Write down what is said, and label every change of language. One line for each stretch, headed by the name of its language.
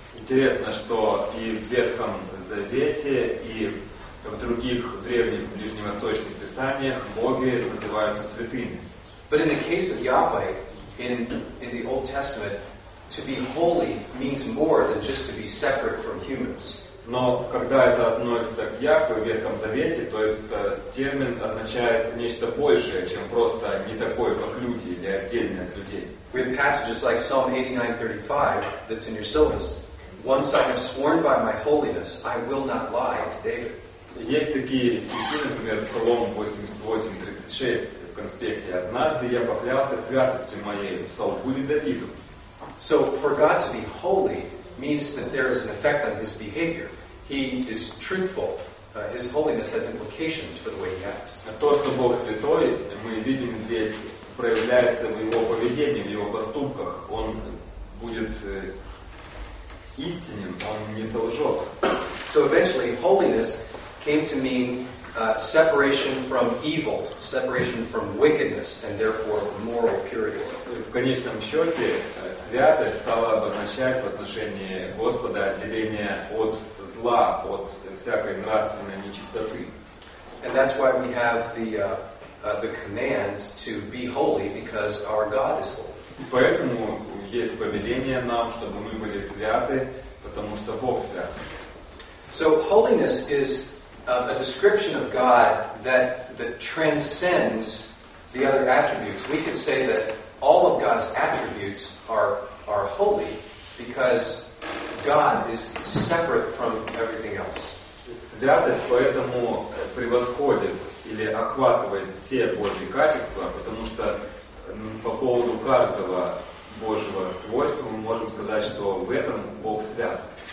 Russian: Интересно, что и в Ветхом Завете, и в других древних ближневосточных писаниях боги называются святыми.
English: But in the case of Yahweh, in the Old Testament, to be holy means more than just to be separate from humans.
Russian: Но когда это относится к Яхве в Ветхом Завете, то этот термин означает нечто большее, чем просто не такой, как люди, или отдельный от людей.
English: We have passages like Psalm 89:35 that's in your syllabus. Once I have sworn by my holiness, I will not lie to David.
Russian: Есть такие стихи, например, Псалом 88:36 в конспекте. Однажды я поклялся святостью моей, солгу ли Давиду?
English: So for God to be holy means that there is an effect on his behavior. He is truthful. His holiness has implications for the way he acts.
Russian: То, что Бог святой, мы видим здесь, проявляется в его поведении, в его поступках. Он будет истинен, он не солжет.
English: So eventually holiness came to mean separation from evil, separation from wickedness, and therefore moral purity.
Russian: В конечном счете святость стала обозначать в отношении Господа отделение от зла, от всякой нравственной нечистоты.
English: And that's why we have the command to be holy, because our God is holy.
Russian: И поэтому есть повеление нам, чтобы мы были святы, потому что Бог свят.
English: So holiness is a description of God that transcends the other attributes. We could say that all of God's attributes are holy because God is separate from everything else.
Russian: Святость поэтому превосходит или охватывает все Божьи качества, потому что по поводу каждого Божьего свойства мы можем сказать, что в этом Бог свят.